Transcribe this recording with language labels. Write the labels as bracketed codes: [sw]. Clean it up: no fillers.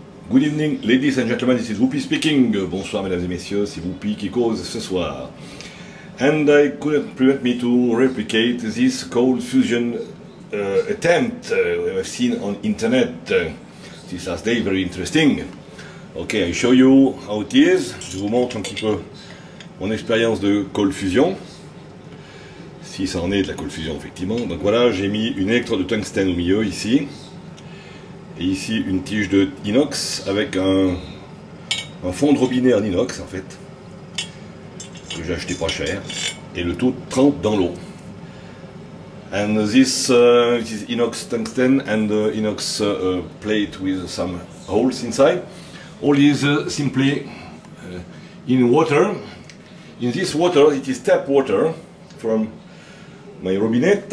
[en] Good evening, ladies and gentlemen, this is Whoopi speaking. [fr] Bonsoir, mesdames et messieurs, c'est Whoopi qui cause ce soir. [en] And I couldn't prevent me to replicate this cold fusion attempt we have seen on internet this last day, very interesting. Okay, I show you how it is. [fr] Je vous montre un petit peu mon expérience de cold fusion. Si ça en est de la cold fusion, effectivement. Donc voilà, j'ai mis une électrode de tungstène au milieu, ici. Et ici, une tige de inox avec un fond de robinet en inox, en fait, que j'ai acheté pas cher. Et le tout trempe dans l'eau. [en] And this, this is inox tungstène and inox plate with some holes inside. All is simply in water. In this water, it is tap water from my robinet.